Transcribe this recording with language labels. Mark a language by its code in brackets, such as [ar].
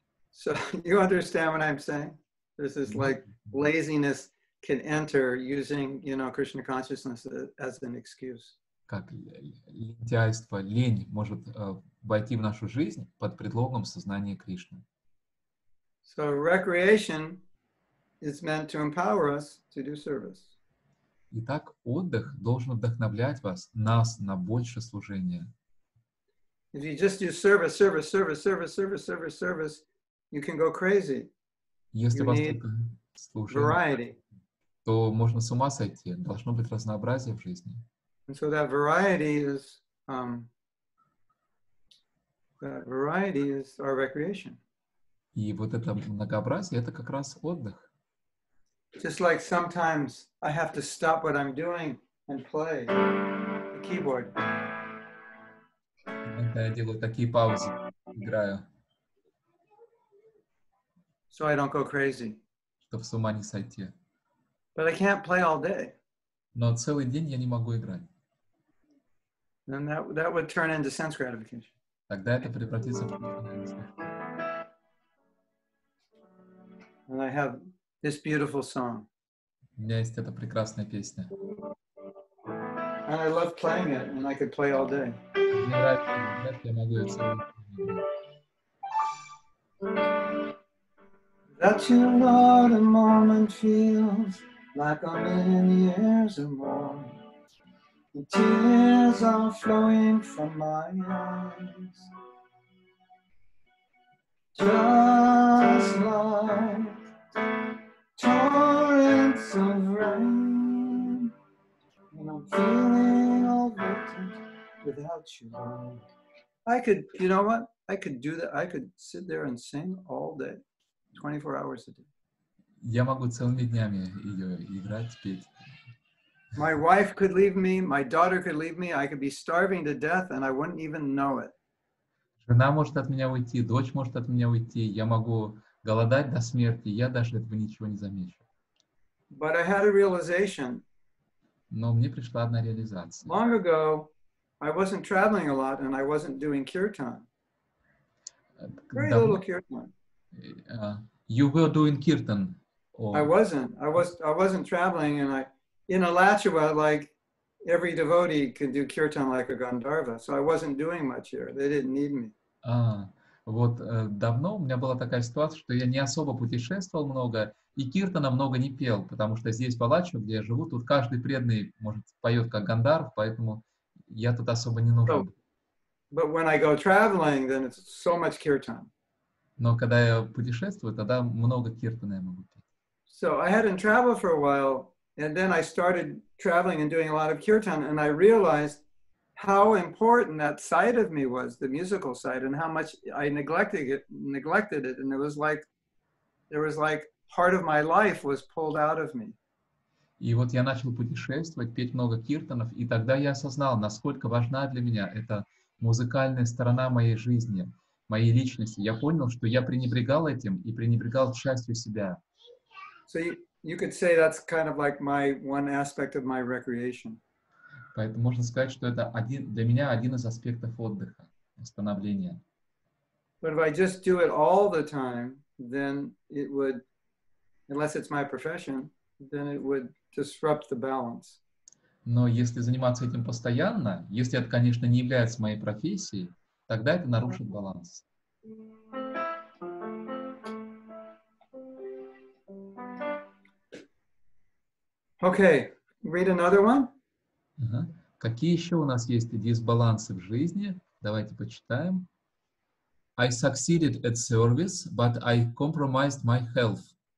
[en] So you understand what I'm saying? This is like laziness can enter using, you know, Krishna consciousness as an excuse. [ru] Как лентяйство, лень может войти в нашу жизнь под предлогом сознания Кришны. [en] So recreation is meant to empower us to do service. [ru] Итак, отдых должен вдохновлять вас, нас, на больше служения. [en] If you just do service, service, service, service, service, service, service, you can go crazy. [ru] Если [en] you [ru] вас [en] need [ru] только слушают, [en] variety. [ru] То можно с ума сойти. Должно быть разнообразие в жизни. [en] And so that variety is our recreation. [ru] И вот это многообразие, это как раз отдых. [en] Just like sometimes I have to stop what I'm doing and play the keyboard. [ru] Иногда я делаю такие паузы, играю. [en] So I don't go crazy. [ru] Чтоб с ума не сойти. [en] But I can't play all day. [ru] Но целый день я не могу играть. [en] Then that would turn into sense gratification. [ru] Тогда это превратится в удовольствие. [en] And I have this beautiful song. [ru] У меня есть эта прекрасная песня. [en] And I love playing it, and I could play all day. [ru] Мне нравится, я могу ее целый день играть. [en] That you know the moment feels like a million years or more. The tears are flowing from my eyes. Just like torrents of rain. And I'm feeling overwhelmed without you. I could sit there and sing all day, 24 hours a day. [ru] Я могу целыми днями ее играть, петь. [en] My wife could leave me, my daughter could leave me, I could be starving to death and I wouldn't even know it. [ru] Жена может от меня уйти, дочь может от меня уйти, я могу голодать до смерти, я даже этого ничего не замечу. [en] But I had a realization. [ru] Но мне пришла одна реализация. [en] Long ago, I wasn't traveling a lot and I wasn't doing kirtan. Very little kirtan. You were doing kirtan. Oh. I wasn't traveling, and in Alachua, like every devotee can do kirtan like a gandharva. So I wasn't doing much here. They didn't need me. [ru] Давно у меня была такая ситуация, что я не особо путешествовал много и киртана много не пел, потому что здесь в Алачуа, где я живу, тут каждый преданный может поет как гандарв, поэтому я тут особо не нужен. [en] But when I go traveling, then it's so much kirtan. [ru] Но когда я путешествую, тогда много киртана я могу петь. [en] So I hadn't traveled for a while, and then I started traveling and doing a lot of kirtan, and I realized how important that side of me was, the musical side, and how much I neglected it, and there was like part of my life was pulled out of me. [ru] И вот я начал путешествовать, петь много киртанов, и тогда я осознал, насколько важна для меня эта музыкальная сторона моей жизни, моей личности. Я понял, что я пренебрегал этим и пренебрегал частью себя. [en] So you could say that's kind of like my one aspect of my recreation. [ru] Поэтому можно сказать, что это один для меня один из аспектов отдыха, восстановления. [en] But if I just do it all the time, then it would, unless it's my profession, then it would disrupt the balance. [ru] Но если заниматься этим постоянно, если это, конечно, не является моей профессией, тогда это нарушит баланс. [en] Okay, read another one. [ru] Какие еще у нас есть дисбалансы в жизни? Давайте почитаем. [en] I succeeded at service, but I compromised my health.